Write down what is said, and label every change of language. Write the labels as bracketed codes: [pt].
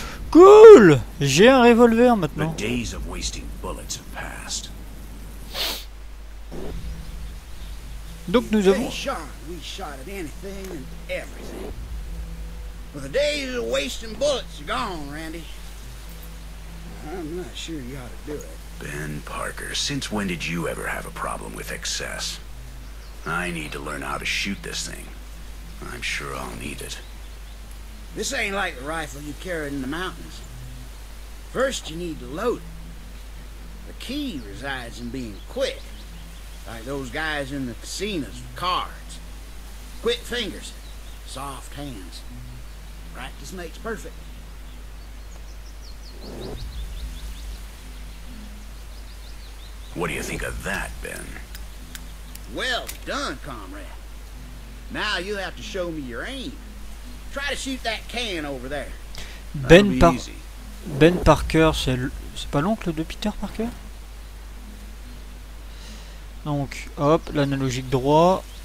[fr] Cool, j'ai un revolver maintenant. [en] The days of wasting bullets have passed. [fr] Donc nous avons. [en] Hey Sean, we shot at anything and everything. But the days of wasting bullets are gone, Randy. I'm not sure you ought to do it. Ben Parker, since when did you ever have a problem with excess? I need to learn how to shoot this thing. I'm sure I'll need it. This ain't like the rifle you carry in the mountains. First, you need to load it. The key resides in being quick, like those guys in the casinos with cards. Quick fingers, soft hands. Practice makes perfect. What do you think of that, Ben? Well done, comrade. Now you'll have to show me your aim. Try to shoot that can over there. [fr] Ben Parker, c'est pas l'oncle de Peter Parker? Donc, hop, l'analogique droit.